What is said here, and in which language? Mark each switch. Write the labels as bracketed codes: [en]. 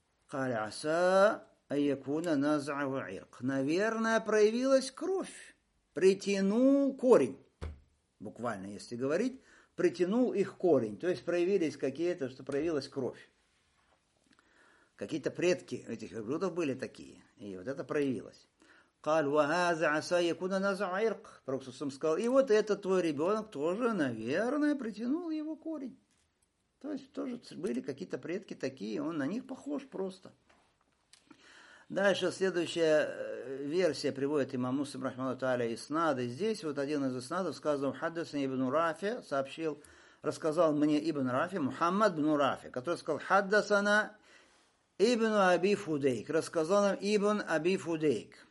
[ar] قال عسى أن يكون نزع عرق. [ru] Наверное проявилась кровь. Притянул корень. Буквально если говорить, притянул их корень. То есть проявились какие-то, что проявилась кровь. Какие-то предки этих верблюдов были такие. И вот это проявилось. [ar] قال وهذا عسى يكون نزع عرق. [ru] Пророк саллаллаху алейхи ва саллям сказал, и вот этот твой ребенок тоже, наверное, притянул его корень. То есть тоже были какие-то предки такие, он на них похож просто. Дальше следующая версия приводит имам Муслим рахмаху тааля иснады. Здесь вот один из иснадов сказано, хаддасани ибн Рафи сообщил, рассказал мне ибн Рафи, Мухаммад ибн Рафи, который сказал, хаддасана ибн Аби Фудейк, рассказал нам ибн Аби Фудейк.